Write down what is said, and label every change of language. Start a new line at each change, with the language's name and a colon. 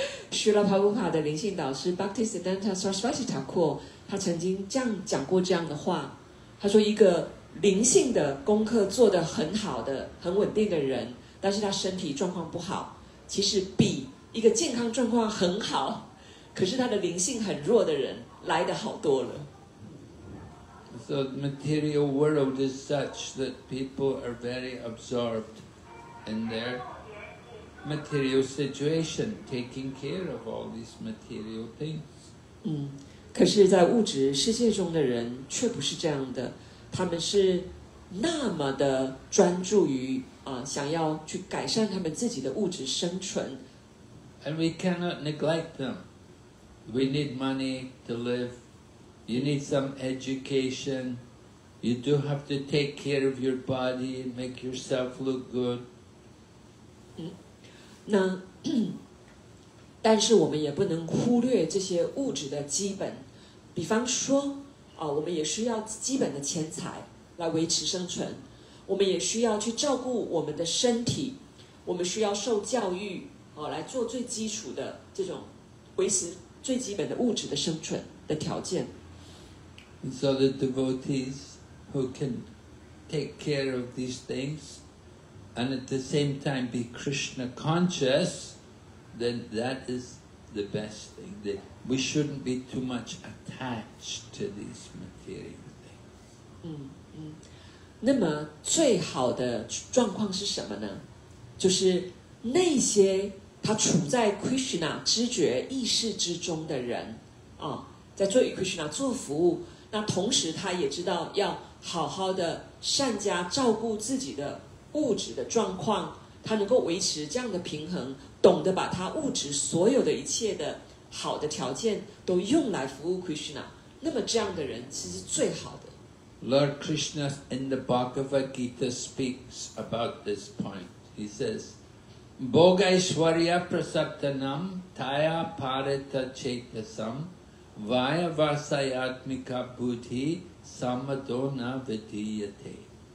Chinese: Srila Prabhupada 灵性导师 Bhaktisiddhanta Sarasvati Thakur, 他曾经这样讲过这样的话，他说一个灵性的功课做得很好的、很稳定的人，但是他身体状况不好，其实比一个健康状况很好，可是他的灵性很弱的人来得好多了。
English: So the material world is such that people are very absorbed in their material situation, taking care of all these material things.
Chinese: 可是在物质世界中的人却不是这样的。他们是那么的专注于、想要去改善他们自己的物质生存。
English: And we cannot neglect them. We need money to live. You need some education. You do have to take care of your body and make yourself look good.
Chinese: 那但是我们也不能忽略这些物质的基本，比方说我们也需要基本的钱财来维持生存，我们也需要去照顾我们的身体，我们需要受教育、来做最基础的这种维持最基本的物质的生存的条件。
English: And so the devotees who can take care of these things and at the same time be Krishna conscious, then that is the best thing. That we shouldn't be too much attached to these material things.
Chinese: 那么最好的状况是什么呢？就是那些他处在 Krishna 知觉意识之中的人、在做与 Krishna 做服务，那同时他也知道要好好的善加照顾自己的物质的状况，他能够维持这样的平衡，懂得把他物质所有的一切的好的条件都用来服务 Krishna， 那么这样的人其实是最好的。
English: Lord Krishna in the Bhagavad Gita speaks about this point. He says,
Sanskrit: "Bhogaishwarya prasaptanam taya parita chetasam vaya vasayatmika buddhi samadona vidyate."